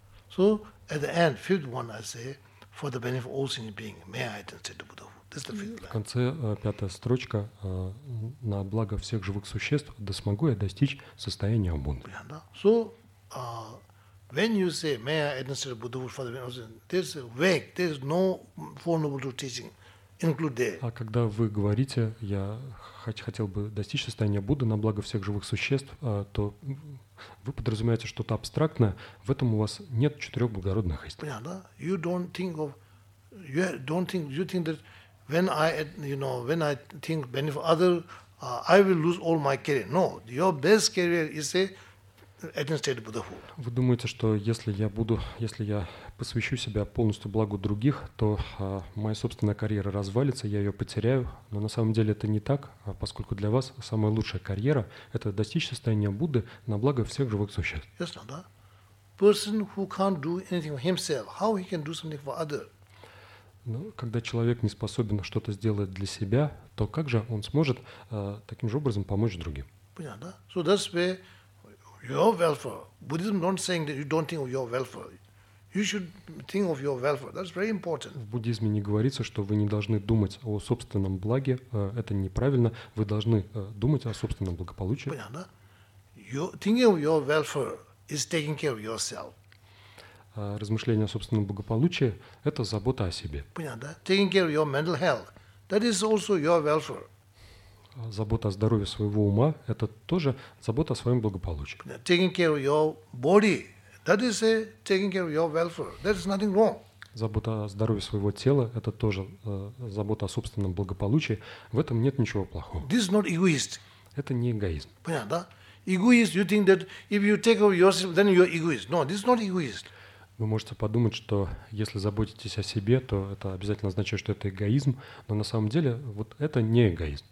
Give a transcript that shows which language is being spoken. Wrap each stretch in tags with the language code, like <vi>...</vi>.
<en>So at the end, fifth one, I say, for the benefit of all sentient beings, may I attain the Buddhahood. This is the fifth line.</en> <ru>В конце пятая строчка на благо всех живых существ, да смогу я достичь состояния Будды.</ru> <en>So when you say may I attain the Buddhahood for the benefit of all sentient beings, there's vague, there's no four noble truth teaching included.</en> <ru>А когда вы говорите, я хотел бы достичь состояния Будды на благо всех живых существ, то вы подразумеваете что-то абстрактное, в этом у вас нет четырех благородных истин. Yeah, да?</ru> <en>You don't think of, you don't think, you think that when I, you know, when I think benefit other, I will lose all my career. No, your best career is a attained Buddhahood.</en> <ru>Вы думаете, что если я посвящу себя полностью благу других, то моя собственная карьера развалится, я ее потеряю. Но на самом деле это не так, поскольку для вас самая лучшая карьера — это достичь состояния Будды на благо всех живых существ. Yes, no, да?</ru> <en>Person who can't do anything for himself, how he can do something for other?</en> <ru>Ну, когда человек не способен что-то сделать для себя, то как же он сможет таким же образом помочь другим? Понятно, да?</ru> <en>So that's where your welfare. Buddhism don't saying that you don't think of your welfare. You should think of your welfare. That's very important.</en> <ru>В буддизме не говорится, что вы не должны думать о собственном благе. Это неправильно. Вы должны думать о собственном благополучии. Понятно?</ru> <en>You thinking of your welfare is taking care of yourself.</en> <ru>Размышление о собственном благополучии — это забота о себе. Понятно?</ru> <en>Taking care of your mental health. That is also your welfare.</en> <ru>Забота о здоровье своего ума — это тоже забота о своем благополучии.</ru> <en>Taking care of your body. That is taking care of your welfare. There is nothing wrong.</en> <ru>Забота о здоровье своего тела — это тоже забота о собственном благополучии. В этом нет ничего плохого.</ru> <en>This is not egoist.</en> <ru>Это не эгоизм. Понятно, да?</ru> <en>Egoist, you think that if you take care of yourself, then you're egoist. No, this is not egoist.</en> <ru>Вы можете подумать, что если заботитесь о себе, то это обязательно означает, что это эгоизм. Но на самом деле вот это не эгоизм.</ru>